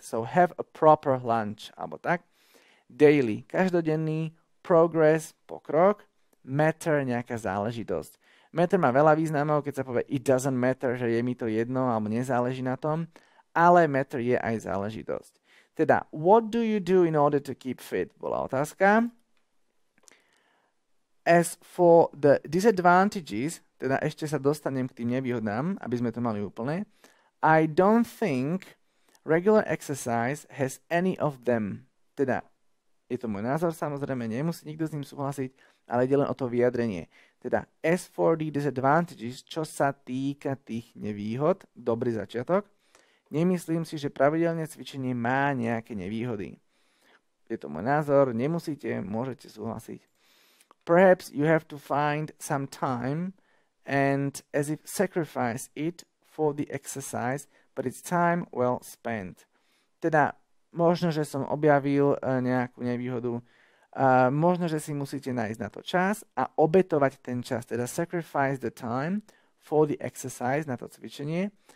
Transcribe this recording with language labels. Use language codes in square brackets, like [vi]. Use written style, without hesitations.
[en] So have a proper lunch, [sk] alebo tak. [en] Daily, každodenný, progress, pokrok, matter, nejaká záležitosť. [sk] Matter má veľa významov, keď sa povie [en] it doesn't matter, [sk] že je mi to jedno alebo nezáleží na tom, ale matter je aj záležitosť. [en] Teda, what do you do in order to keep fit? [sk] Bola otázka. [en] As for the disadvantages, [sk] teda ešte sa dostanem k tým nevýhodám, aby sme to mali úplne. [en] I don't think regular exercise has any of them. [sk] Teda, je to môj názor, samozrejme, nemusí nikto s ním súhlasiť, ale ide len o to vyjadrenie. Teda, [en] as for the disadvantages, [sk] čo sa týka tých nevýhod, dobrý začiatok, nemyslím si, že pravidelné cvičenie má nejaké nevýhody. Je to môj názor, nemusíte, môžete súhlasiť. [en] Perhaps you have to find some time and as if sacrifice it for the exercise, but it's time well spent. [sk] Teda, možno, že som objavil nejakú nevýhodu. Možno, že si musíte nájsť na to čas a obetovať ten čas, teda [en] sacrifice the time for the exercise, [sk] na to cvičenie.